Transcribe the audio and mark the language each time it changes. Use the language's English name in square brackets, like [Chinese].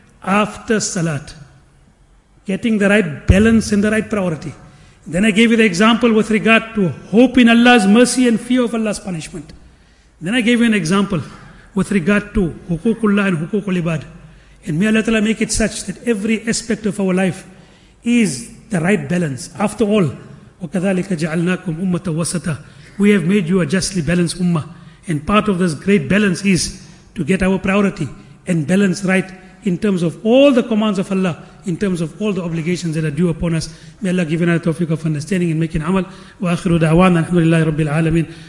[English] After salat. Getting the right balance and the right priority. Then I gave you the example with regard to hope in Allah's mercy and fear of Allah's punishment. Then I gave you an example with regard to hukukullah and hukukul ibad. And may Allah Ta'ala make it such that every aspect of our life is the right balance. After all, [Arabic] وَكَذَلِكَ جَعَلْنَاكُمْ أُمَّةً وَسَطًا. [English] We have made you a justly balanced ummah. And part of this great balance is to get our priority and balance right in terms of all the commands of Allah, in terms of all the obligations that are due upon us. May Allah give you the tawfiq of understanding and making amal. [Arabic] وَآخِرُ دَعْوَانَ الْحَمْدُ لِلَّهِ رَبِّ الْعَالَمِينَ.